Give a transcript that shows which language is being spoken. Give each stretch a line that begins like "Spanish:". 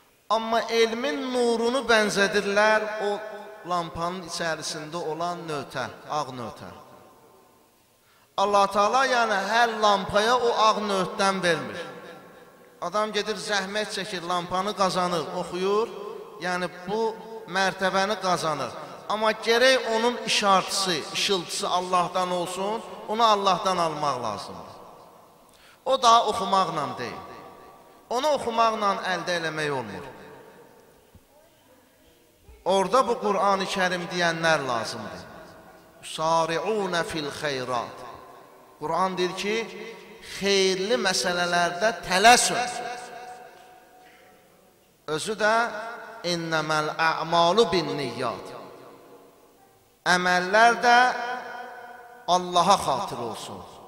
Azerbaijani: Amma elmin nurunu bənzədirlər o lampanın içərisində olan nötə, ağ nötə. Allah Teala yani hər lampaya o ağ nötdən vermir. Adam gedir zəhmət çəkir, lampanı qazanır, oxuyur. Yani bu mərtəbəni qazanır. Amma gerek onun işartısı, işıltısı Allahdan olsun, onu Allahdan almaq lazımdır. O daha oxumaqla deyil. Onu oxumaqla əldə eləmək olmur. Orada bu Kur'an-ı Kerim diyenler lazımdır.
Arabic: Sari'une fil hayrat.
Azerbaijani: Kur'an der ki, xeyirli məsələlərdə tələsün. Özü də
Arabic: innamal a'malu binniyyat.
Azerbaijani: Əməllər də Allaha xatir olsun.